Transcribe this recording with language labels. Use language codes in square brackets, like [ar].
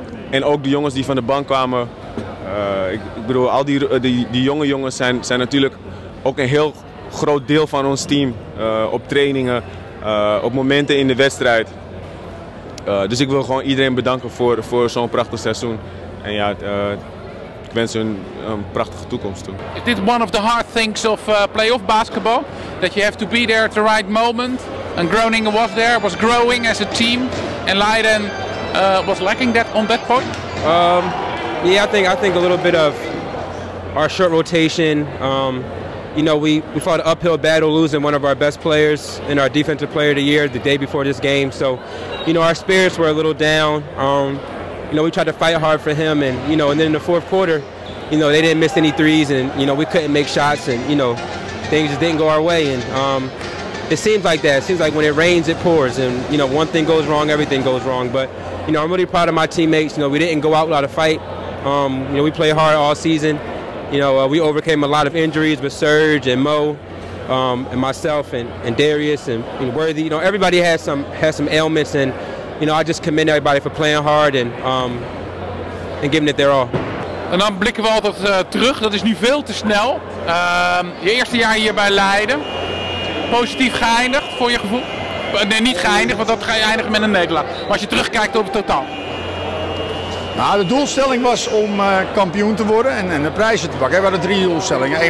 [nl] En ook de jongens die van de bank kwamen. Ik bedoel, al die jonge jongens zijn natuurlijk ook een heel groot deel van ons team. Op trainingen, op momenten in de wedstrijd. Dus ik wil gewoon iedereen bedanken voor zo'n prachtig seizoen. En ja, ik wens hun een prachtige toekomst toe. Is dit [en] one of the hard things of playoff basketball? That you have to be there at the right moment. And Groningen was there, was growing as a team. And Leiden was lacking that on that point? I think a little bit of our short rotation. You know, we fought an uphill battle losing one of our best players and our defensive player of the year the day before this game. So, you know, our spirits were a little down. You know, we tried to fight hard for him, and, you know, and then in the fourth quarter, you know, they didn't miss any threes, and, you know, we couldn't make shots, and, you know, things just didn't go our way. And it seems like that. It seems like when it rains, it pours, and, you know, one thing goes wrong, everything goes wrong. But, you know, I'm really proud of my teammates. You know, we didn't go out without a fight. You know, we played hard all season. You know, we overcame a lot of injuries with Serge and Mo and myself and Darius and Worthy. You know, everybody has some ailments, and, you know, I just commend everybody for playing hard and giving it their all. [nl] En dan blikken we altijd terug. Dat is nu veel te snel. Je eerste jaar hier bij Leiden. Positief geëindigd, voor je gevoel? Nee, niet geëindigd, want dat ga je eindigen met een nederlaag. Maar als je terugkijkt op het totaal. Nou, de doelstelling was om kampioen te worden en de prijzen te pakken. We hadden drie doelstellingen.